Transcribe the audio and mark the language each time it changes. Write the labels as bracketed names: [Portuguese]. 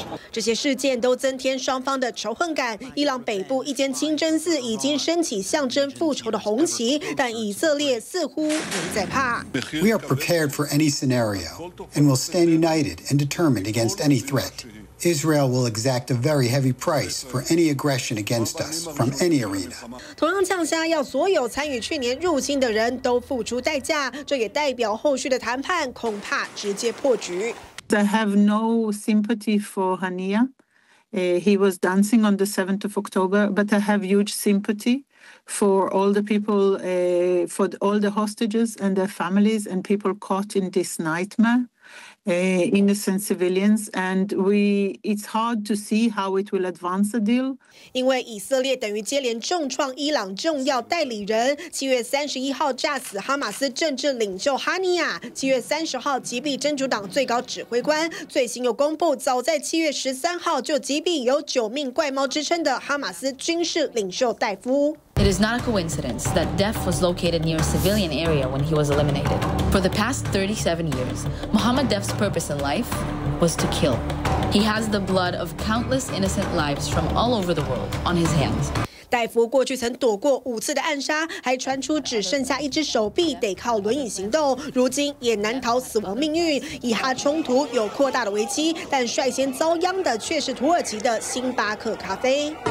[Chinese] 这些事件都增添双方的仇恨感。伊朗北部一间清真寺已经升起象征复仇的红旗，但以色列似乎没在怕。 [English] We are prepared for any scenario and will stand united and determined against any threat. Israel will exact a very heavy price for any aggression against us from any arena. [Chinese] 同样呛下要所有参与去年入侵的人都付出代价，这也代表后续的谈判恐怕直接破局。 [English] I have no sympathy for Haniya. He was dancing on the 7th of October, but I have huge sympathy. For all the people, for all the hostages and their families, and people caught in this nightmare, innocent civilians, and it's hard to see how it will advance the deal. [Chinese] 因为以色列等于接连重创伊朗重要代理人，7月31号炸死哈马斯政治领袖哈尼亚，7月30号击毙真主党最高指挥官，最新又公布，早在7月13号就击毙有九命怪猫之称的哈马斯军事领袖戴夫。 [English] It is not a coincidence that Def was located near a civilian area when he was eliminated. For the past 37 years, Mohammed Def's purpose in life was to kill. He has the blood of countless innocent lives from all over the world on his hands. [Chinese] 戴夫过去曾躲过5次的暗杀，还传出只剩下一只手臂，得靠轮椅行动。如今也难逃死亡命运。以哈冲突有扩大的危机，但率先遭殃的却是土耳其的星巴克咖啡。